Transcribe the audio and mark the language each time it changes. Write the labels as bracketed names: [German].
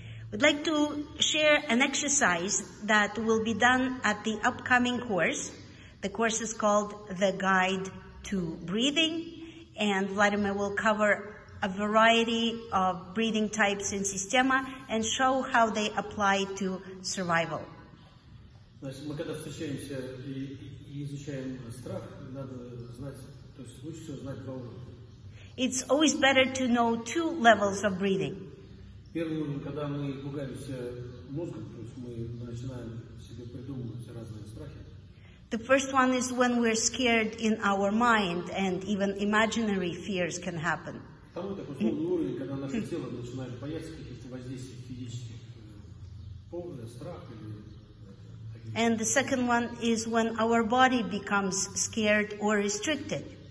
[English] We'd like to share an exercise that will be done at the upcoming course. The course is called The Guide to Breathing, and Vladimir will cover a variety of breathing types in Systema and show how they apply to survival. [Russian] Значит, мы когда встречаемся и изучаем страх, надо знать, то есть лучше знать два уровня. [English] It's always better to know two levels of breathing. [Russian] Первый уровень, когда мы пугаемся мозгом, то есть мы начинаем себе придумывать разные страхи. [English] The first one is when we're scared in our mind and even imaginary fears can happen. [Russian] Второй такой сложный уровень, когда наше тело начинает бояться каких-то воздействий физических, повода, страха или... [English] And the second one is when our body becomes scared or restricted.